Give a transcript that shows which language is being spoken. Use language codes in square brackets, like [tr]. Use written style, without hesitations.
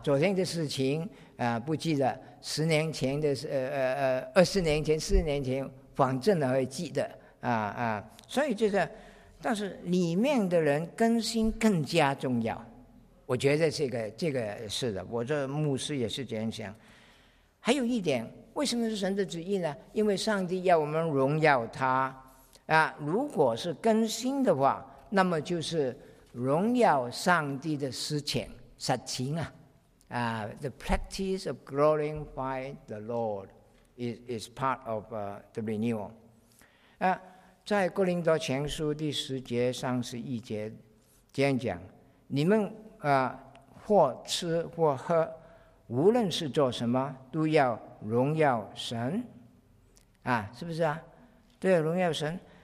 [zh] 昨天的事情不记得，十年前的二十年前、四年前，反正呢会记得啊。所以就是，但是里面的人更新更加重要，我觉得这个是的。我这牧师也是这样想。还有一点，为什么是神的旨意呢？因为上帝要我们荣耀他啊。如果是更新的话，那么就是荣耀上帝的实践，实情啊， [en] the practice of glorifying the Lord is part of the renewal。 [zh] 在哥林多前书第十节、三十一节这样讲：你们或吃或喝，无论是做什么，都要荣耀神啊，是不是啊？对，荣耀神。